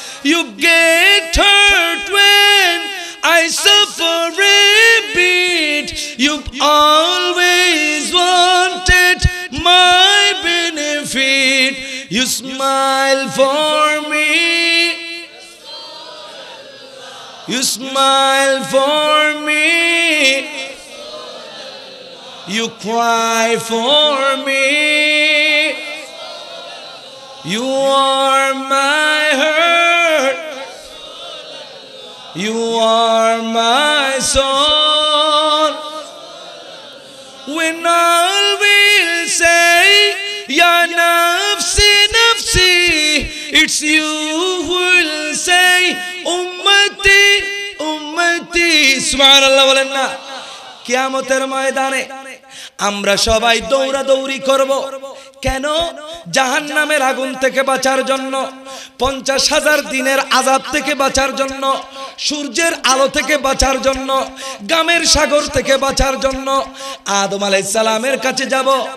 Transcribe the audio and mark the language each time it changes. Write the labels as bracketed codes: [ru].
[en] You get hurt when I suffer a bit. You've always wanted my benefit. You smile for me. You smile for me. You cry for me. You are my hurt. You are my son. When all will say, [ar] Ya nafsi nafsi, [en] it's you who will say, [ar] Ummati, Ummati. [bn] Subhanallah bolen na. Kiamater maidane আমরা সবাই দৌড়াদৌড়ি করব, কেন? জাহান্নামের আগুন থেকে বাঁচার জন্য, 50,000 দিনের আযাব থেকে বাঁচার জন্য, সূর্যের আলো থেকে বাঁচার জন্য, গামের সাগর থেকে বাঁচার জন্য আদম আলাইহিস সালামের কাছে যাব।